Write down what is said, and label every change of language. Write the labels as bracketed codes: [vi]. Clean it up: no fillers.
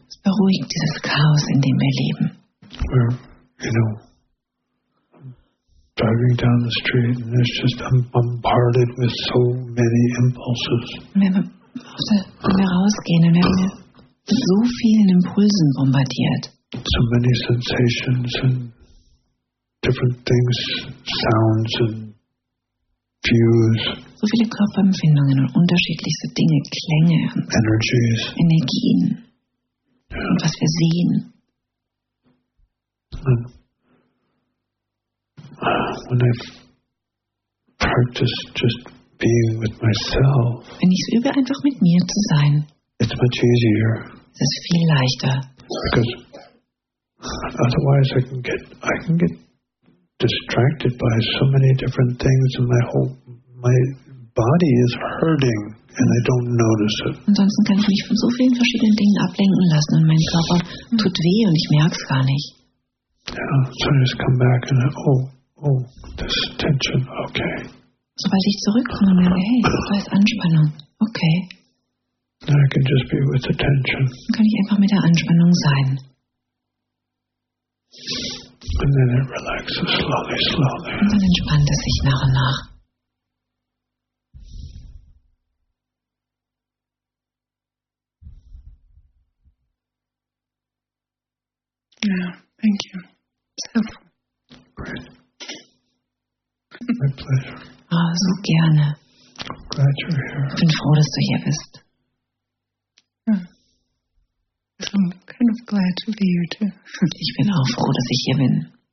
[de] Es beruhigt dieses Chaos, in dem wir leben. [en] We're, you know, driving down the street and it's just bombarded with so many impulses. [de] Wenn wir rausgehen, dann werden wir mit so vielen Impulsen bombardiert. [en] So many sensations and different things, sounds and views. [de] So viele Körperempfindungen und unterschiedlichste Dinge, Klänge, [en] Energies. [de] Energien. Yeah. Und was wir sehen. [en] When I practice just being with myself, [de] wenn ich es übe, einfach mit mir zu sein, [en] it's much easier. [de] Es ist viel leichter. [en] Because otherwise I can get distracted by so many different things and my body is hurting and I don't notice it. [de] Ansonsten kann ich mich von so vielen verschiedenen Dingen ablenken lassen und mein Körper tut weh und ich merke es gar nicht. [en] Yeah, so I just come back and oh, this tension, okay. [de] Sobald ich zurückkomme und merke, hey, da ist Anspannung, okay. [en] Then I can just be with the tension. [de] Dann kann ich einfach mit der Anspannung sein. [en] And then it relaxes slowly, slowly. [de] Und dann entspannt es sich nach und nach. [en] Ja, thank you. So. Great. My pleasure. [de] Oh, so gerne. [en] Glad you're here. [de] Ich bin froh, dass du hier bist. [en] I'm kind of glad to be here too. [de] Ich bin auch froh, dass ich hier bin.